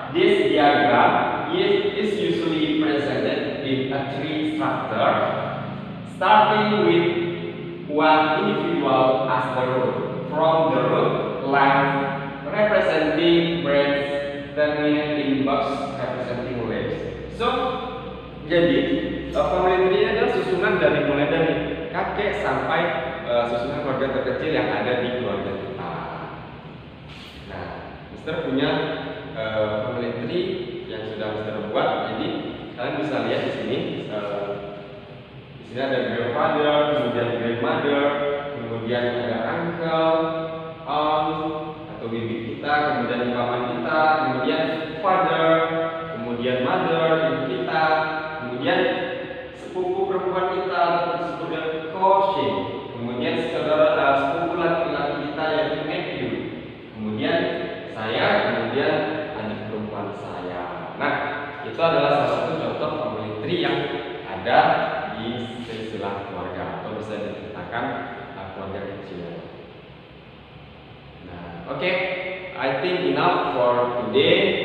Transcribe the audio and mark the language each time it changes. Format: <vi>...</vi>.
<en>This diagram is usually presented in a tree structure, starting with one individual as the root, from the root length representing branch, terminating box representing leaves.</en> <id>So, jadi family tree adalah susunan dari mulai dari kakek sampai susunan keluarga terkecil yang ada di keluarga kita. Nah, Mister punya family tree yang sudah Mister buat. Jadi kalian bisa lihat di sini. Di sini ada grandfather, kemudian grandmother, kemudian ada uncle, aunt atau bibi kita, kemudian paman kita, kemudian father, kemudian mother, ibu kita, kemudian sepupu perempuan kita atau sepupu dan cousin, kemudian saudara dan sepupu laki-laki kita yang nephew, kemudian saya, kemudian adik perempuan saya. Nah, itu adalah salah satu contoh family tree yang ada di silsilah keluarga atau bisa dikatakan keluarga kecil.</id> <en>Nah, oke, okay. I think enough for today.</en>